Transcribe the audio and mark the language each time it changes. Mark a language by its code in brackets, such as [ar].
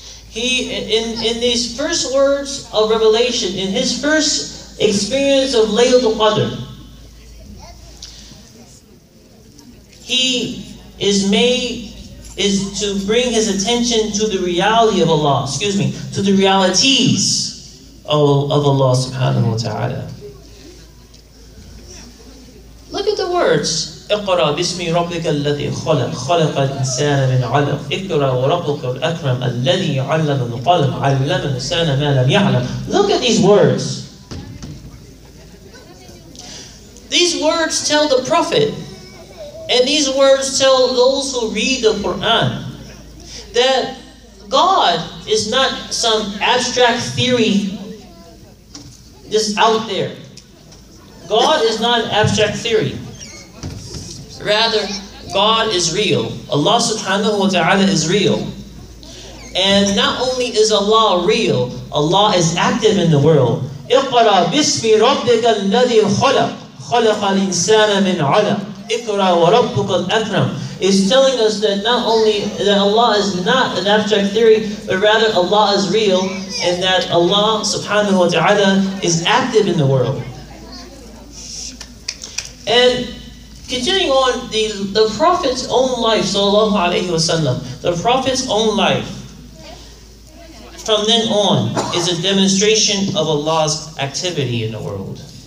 [en] He, in these first words of revelation, in his first experience of Laylat al-Qadr, he is made, is to bring his attention to the reality of Allah, excuse me, to the realities of Allah subhanahu wa ta'ala. Look at the words. [ar] اقرأ باسم ربك الذي خلق خلق الإنسان من علق اقرأ وربك الأكرم الذي علم القلم علم الإنسان ما لم يعلم. [en] Look at these words. These words tell the Prophet, and these words tell those who read the Quran, that God is not some abstract theory just out there. God is not an abstract theory. Rather, God is real. Allah subhanahu wa ta'ala is real. And not only is Allah real, Allah is active in the world. [ar] اقرأ باسم ربك الذي خلق خلق الإنسان من علق اقرأ وربك الأكرم. [en] It's telling us that not only that Allah is not an abstract theory, but rather Allah is real, and that Allah subhanahu wa ta'ala is active in the world. And continuing on, the Prophet's own life, sallallahu alayhi wa sallam, the Prophet's own life, from then on, is a demonstration of Allah's activity in the world.